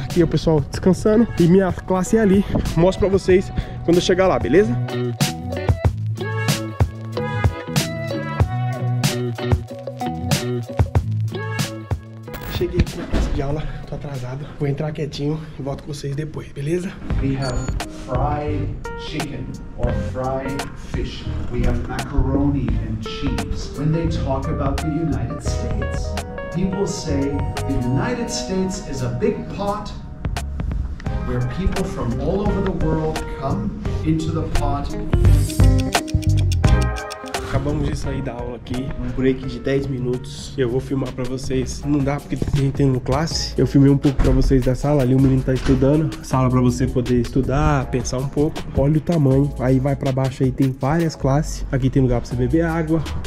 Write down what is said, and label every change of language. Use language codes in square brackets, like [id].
[pt] Aqui é o pessoal descansando e minha classe é ali. Mostro pra vocês quando eu chegar lá, beleza? Cheguei aqui na classe de aula, tô atrasado. Vou entrar quietinho e volto com vocês depois, beleza? [en] We have fried chicken or fried fish. We have macaroni and cheese. When they talk about the United States, people say the United States is a big pot where people from all over the world come into the pot. [pt] Acabamos de sair da aula aqui, um break de 10 minutos, eu vou filmar pra vocês. Não dá porque tem gente no classe, eu filmei um pouco pra vocês da sala, ali o menino tá estudando, sala pra você poder estudar, pensar um pouco. Olha o tamanho, aí vai pra baixo, aí tem várias classes, aqui tem lugar pra você beber água.